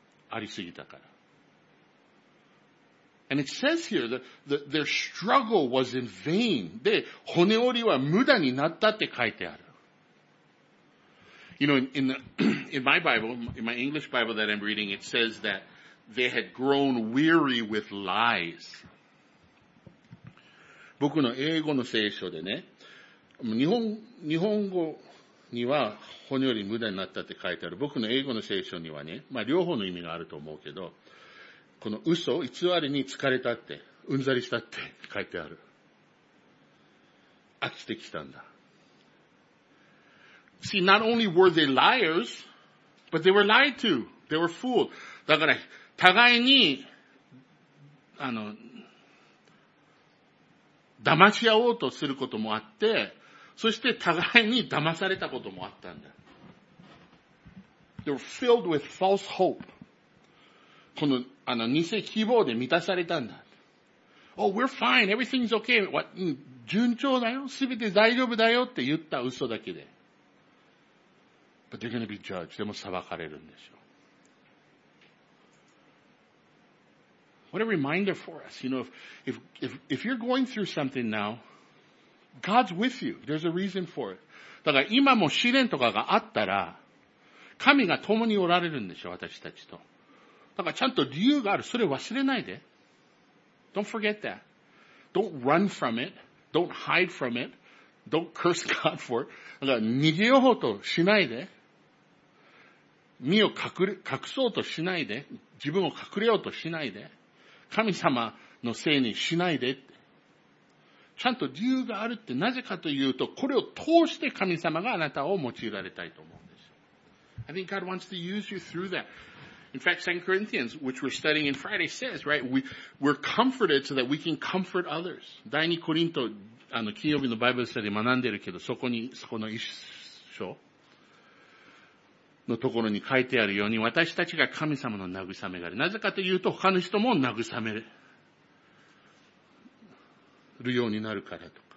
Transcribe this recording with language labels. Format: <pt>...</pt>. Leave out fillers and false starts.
<ja>ありすぎたから。</ja> <en>And it says here that their struggle was in vain.</en> <ja>で、骨折りは無駄になったって書いてある。</ja> <en>You know, in my Bible, in my English Bible that I'm reading, it says that they had grown weary with lies.</en> <ja>僕の英語の聖書でね、日本語には骨より無駄になったって書いてある。僕の英語の聖書にはね、まあ両方の意味があると思うけど、この嘘、偽りに疲れたって、うんざりしたって書いてある。飽きてきたんだ。</ja> <en>See, not only were they liars, but they were lied to. They were fooled.</en> <ja>だから、互いに、騙し合おうとすることもあって、そして互いに騙されたこともあったんだ。</ja> <en>They were filled with false hope.</en> <ja>この、偽希望で満たされたんだ。</ja> <en>Oh, we're fine. Everything's okay. What?</en> <ja>順調だよ。すべて大丈夫だよって言った嘘だけで。</ja> <en>But they're going to be judged.</en> <ja>でも裁かれるんでしょう。</ja> <en>What a reminder for us. You know, if you're going through something now, God's with you. There's a reason for it.</en> <ja>だから今も試練とかがあったら、神が共におられるんでしょう、私たちと。だからちゃんと理由がある。それ忘れないで。</ja> <en>Don't forget that. Don't run from it. Don't hide from it. Don't curse God for it.</en> <ja>だから逃げようとしないで。身を隠そうとしないで、自分を隠れようとしないで、神様のせいにしないでって。ちゃんと理由があるってなぜかというと、これを通して神様があなたを用いられたいと思うんです。</ja> <en>I think God wants to use you through that. In fact, 2 Corinthians, which we're studying in Friday, says, right, we're comforted so that we can comfort others.</en> <ja>第2コリント、金曜日のバイブルスタディ学んでるけど、そこの一章。のところに書いてあるように、私たちが神様の慰めがある。なぜかというと、他の人も慰めるようになるからとか。</ja>